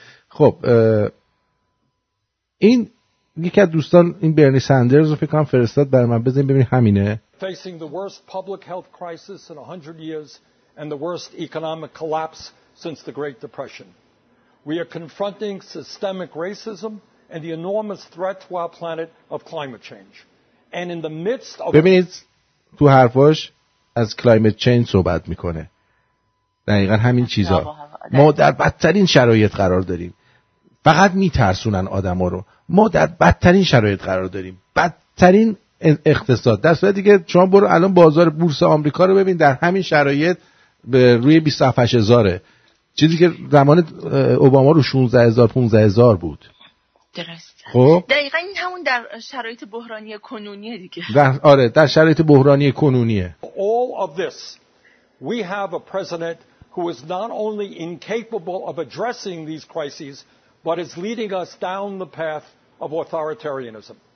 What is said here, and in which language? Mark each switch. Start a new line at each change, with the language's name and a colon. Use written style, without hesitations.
Persian: خب این یکی از دوستان این برنی سندرز رو فکر کنم فرستاد برای من، بزنیم ببینیم همینه.
English: Facing the worst public health crisis in 100 years and the worst economic collapse since the Great Depression. We are confronting systemic racism and the enormous threat to our planet of climate change. And in the midst of...
Persian: ببینید تو حرفاش از کلایمت چینج صحبت میکنه. دقیقا همین چیزا. ما در بدترین شرایط قرار داریم. فقط میترسونن آدم ها رو. ما در بدترین شرایط قرار داریم، بدترین اقتصاد. در صورتی که شما برو الان بازار بورس آمریکا رو ببین، در همین شرایط به روی 27,000ه، چیزی که زمان اوباما رو 16,000-15,000 بود. درست. خب دقیقا این همون در شرایط بحرانی کنونیه دیگه. آره در شرایط بحرانی کنونیه.
English: All of this we have a president who is not only incapable of addressing these crises but is leading us down the path of authoritarianism.